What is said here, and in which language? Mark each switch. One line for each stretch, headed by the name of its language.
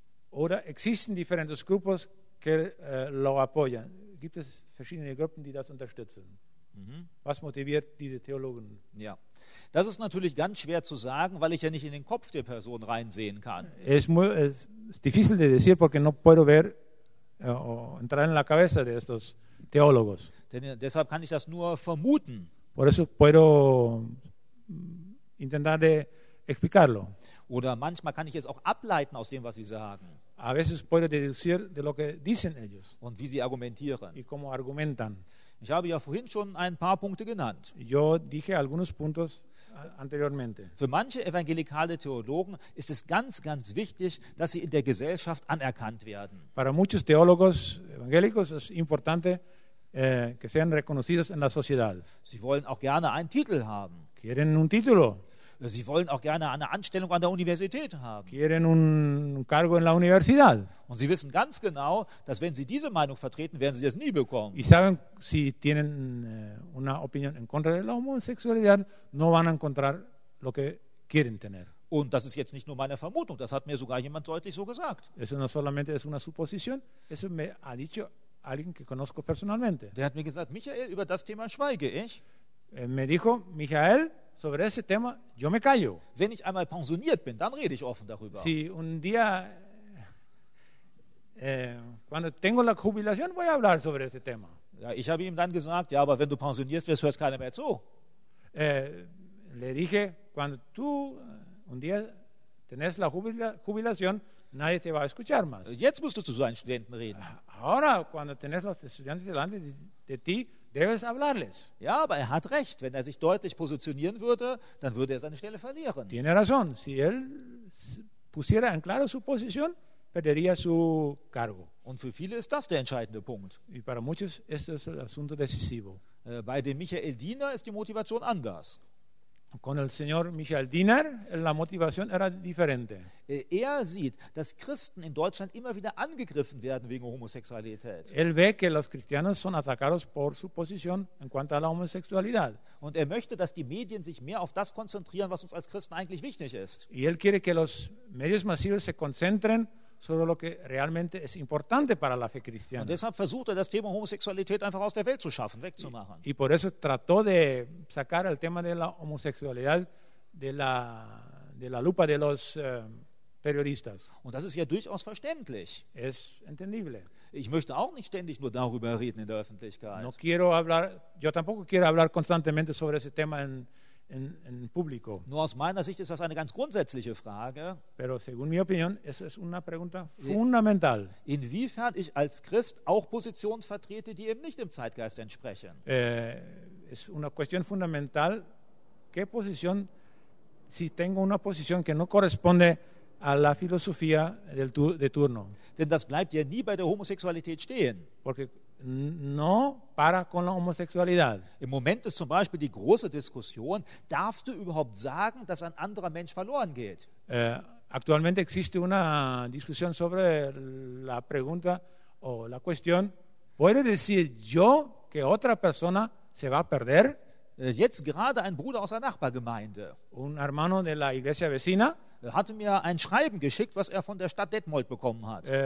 Spanish: ¿Oder existen diferentes grupos que lo apoyan?
German: Gibt es verschiedene Gruppen, die das unterstützen? Was motiviert diese Theologen? Ja, das ist natürlich ganz schwer zu sagen, weil ich ja nicht in den Kopf der Person reinsehen kann.
Spanish: Es difícil de decir porque no puedo ver o entrar en la cabeza de estos teólogos.
German: Deshalb kann ich das nur vermuten.
Spanish: Por eso puedo intentar de explicarlo.
German: Oder manchmal kann ich es auch ableiten aus dem, was sie sagen.
Spanish: A veces puedo deducir de lo que dicen ellos.
German: Und wie sie argumentieren.
Spanish: Y cómo argumentan.
German: Ich habe ja vorhin schon ein paar Punkte genannt.
Spanish: Yo dije algunos puntos anteriormente.
German: Für manche evangelikale Theologen ist es ganz, ganz wichtig, dass sie in der Gesellschaft anerkannt werden.
Spanish: Para muchos teólogos evangélicos es importante que sean reconocidos en la sociedad.
German: Sie wollen auch gerne einen Titel haben.
Spanish: Quieren un título.
German: Sie wollen auch gerne eine Anstellung an der Universität haben.
Spanish: Quieren un cargo en la universidad.
German: Und sie wissen ganz genau, dass wenn sie diese Meinung vertreten, werden sie das nie bekommen.
Spanish: Y saben, si tienen una opinión en contra de la homosexualidad, no van a encontrar lo que quieren tener.
German: Und das ist jetzt nicht nur meine Vermutung, das hat mir sogar jemand deutlich so gesagt.
Spanish: Eso no solamente es una suposición, eso me ha dicho alguien que conozco personalmente.
German: Der hat mir gesagt, Michael, über das Thema schweige ich.
Spanish: Me dijo, Michael, sobre ese tema, yo me callo.
German: Wenn ich einmal pensioniert bin, dann rede ich offen darüber.
Spanish: Si un día, cuando tengo la jubilación, voy a hablar sobre ese tema.
German: Ja, ich habe ihm dann gesagt, ja, aber wenn du pensionierst wirst, hörst keiner mehr zu.
Spanish: Le dije, cuando tú un día tenés la jubilación, nadie te va a escuchar más.
German: Jetzt musst du zu seinen Studenten reden.
Spanish: Ahora, cuando tenés los estudiantes delante de ti, debes hablarles.
German: Ja, aber er hat recht. Wenn er sich deutlich positionieren würde, dann würde er seine Stelle verlieren.
Spanish: Tiene razón. Si él pusiera en claro su posición, perdería su cargo.
German: Und für viele ist das der entscheidende Punkt.
Spanish: Y para muchos esto es el asunto decisivo.
German: Bei dem Michael Diener ist die Motivation anders.
Spanish: Con el señor Michael Diener, la motivación era diferente.
German: Er sieht, dass Christen in Deutschland immer wieder angegriffen werden wegen Homosexualität.
Spanish: Él ve que los cristianos son atacados por su posición en cuanto a la homosexualidad.
German: Und er möchte, dass die Medien sich mehr auf das konzentrieren, was uns als Christen eigentlich wichtig ist.
Spanish: Y él quiere que los medios masivos se concentren sobre lo que realmente es importante para la fe cristiana.
German: Und deshalb versucht er, das Thema Homosexualität einfach aus der Welt zu schaffen, wegzumachen.
Spanish: Y por eso trató de sacar el tema de la homosexualidad de la de la lupa de los periodistas.
German: Und das ist ja durchaus verständlich.
Spanish: Es entendible.
German: Ich möchte auch nicht ständig nur darüber reden in der Öffentlichkeit.
Spanish: No quiero hablar, yo tampoco quiero hablar constantemente sobre ese tema en público.
German: Nur aus meiner Sicht ist das eine ganz grundsätzliche Frage.
Spanish: Pero según mi opinión, eso es una pregunta fundamental.
German: Inwiefern ich als Christ auch Positionen vertrete, die eben nicht dem Zeitgeist entsprechen?
Spanish: Es una cuestión fundamental. ¿Qué posición, si tengo una posición que no corresponde a la filosofía de turno?
German: Denn das bleibt ja nie bei der Homosexualität stehen.
Spanish: Porque no para con la homosexualidad.
German: Im Moment ist zum Beispiel die große Diskussion, darfst du überhaupt sagen, dass ein anderer Mensch verloren geht?
Spanish: Actualmente existe una discusión sobre la pregunta o la cuestión, ¿puedo decir yo que otra persona se va a perder?
German: Jetzt gerade ein Bruder aus der Nachbargemeinde
Spanish: un hermano de la iglesia vecina,
German: hatte mir ein Schreiben geschickt, was er von der Stadt Detmold bekommen hat.